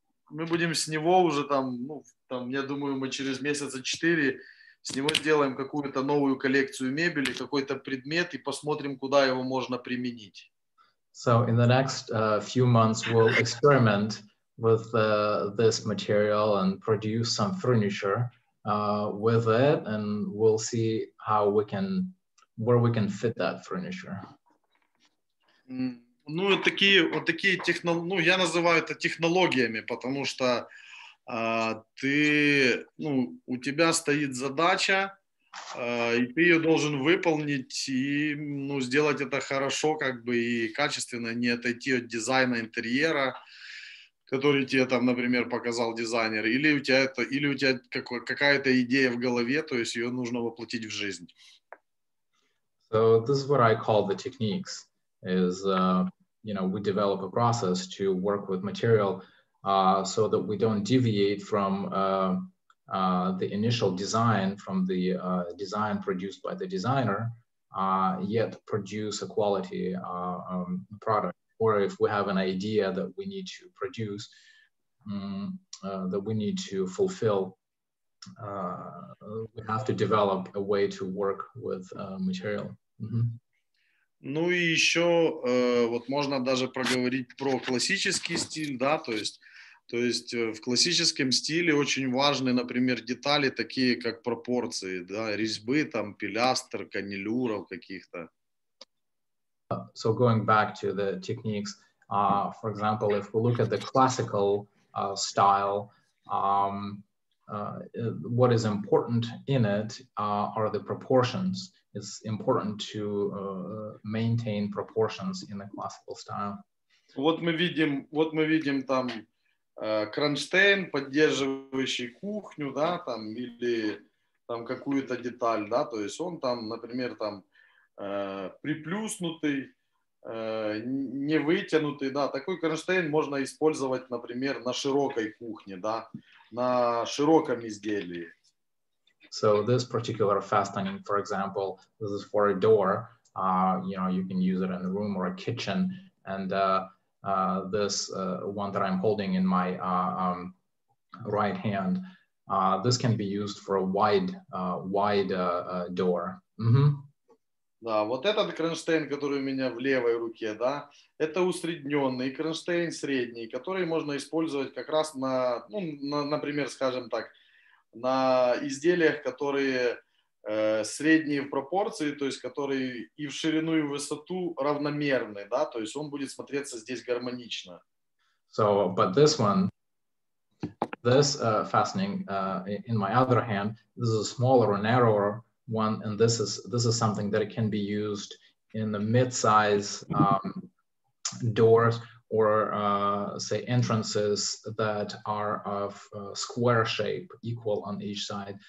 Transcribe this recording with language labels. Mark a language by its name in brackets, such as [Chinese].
[Russian] Мы будем с него уже там, ну, там, я думаю, мы через месяца 4 с него сделаем какую-то новую коллекцию мебели, какой-то предмет и посмотрим, куда его можно применить. [English] So in the next few months we'll experiment with this material and produce some furniture with it, and we'll see how we can, where we can fit that furniture. [Russian] Ну, такие технологии, ну, я называю это технологиями, потому что ты, ну, у тебя стоит задача, и ты ее должен выполнить и, ну, сделать это хорошо, как бы, и качественно, не отойти от дизайна интерьера, который тебе там, например, показал дизайнер, или у тебя это, или у тебя какая-то идея в голове, то есть ее нужно воплотить в жизнь. [English] So this is what I call the techniques. Is you know, we develop a process to work with material, so that we don't deviate from the initial design, from the design produced by the designer, yet produce a quality product. Or if we have an idea that we need to produce, that we need to fulfill, we have to develop a way to work with material. Mm-hmm. [Russian] Ну и еще вот можно даже проговорить про классический стиль, да, то есть То есть в классическом стиле очень важны, например, детали такие, как пропорции, да, резьбы, там, пилястр, каннелюров каких-то. [English] So going back to the techniques, for example, if we look at the classical style, what is important in it are the proportions. It's important to maintain proportions in the classical style. [Russian] Вот мы видим там кронштейн, поддерживающий кухню, да, там, или там какую-то деталь, да, то есть он там, например, там приплюснутый, не вытянутый, да, такой кронштейн можно использовать, например, на широкой кухне, да, на широком изделии. [English] So this particular fastening, for example, this is for a door, you know, you can use it in a room or a kitchen, and this one that I'm holding in my right hand, this can be used for a wide door. Mm-hmm. [Russian] Да, вот этот кронштейн, который у меня в левой руке, да, это усредненный кронштейн, средний, который можно использовать как раз на, ну, на, например, скажем так, на изделиях, которые средние в пропорции, то есть которые и в ширину, и в высоту равномерны, да, то есть он будет смотреться здесь гармонично. [English] So, but this one, this fastening in my other hand, this is a smaller or narrower one, and this is something that can be used in the mid-size doors or say entrances that are of square shape, equal on each side.